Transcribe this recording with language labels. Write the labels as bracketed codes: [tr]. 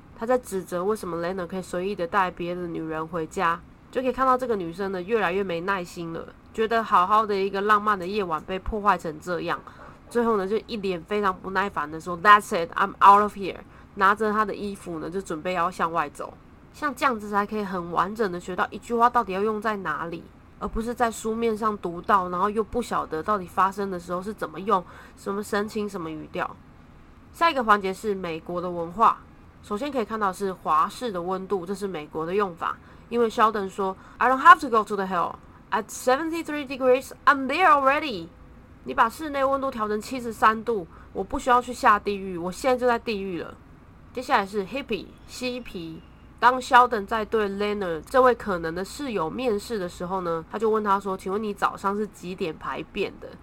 [zh] 他在指责为什么 Leonard 可以随意的带别的女人回家，就可以看到这个女生呢越来越没耐心了，觉得好好的一个浪漫的夜晚被破坏成这样，最后呢就一脸非常不耐烦的说 [en] That's it, I'm out of here， [zh] 拿着她的衣服呢就准备要向外走。像这样子才可以很完整的学到一句话到底要用在哪里，而不是在书面上读到，然后又不晓得到底发生的时候是怎么用，什么神情，什么语调。下一个环节是美国的文化。首先可以看到是华氏的温度，这是美国的用法。因为 Sheldon 说 [en] I don't have to go to the hill. At 73 degrees, I'm there already. [zh] 你把室内温度调成73度，我不需要去下地狱，我现在就在地狱了。接下来是 hippie, 嬉皮。当 Sheldon 在对 Leonard 这位可能的室友面试的时候呢，他就问他说，请问你早上是几点排便的？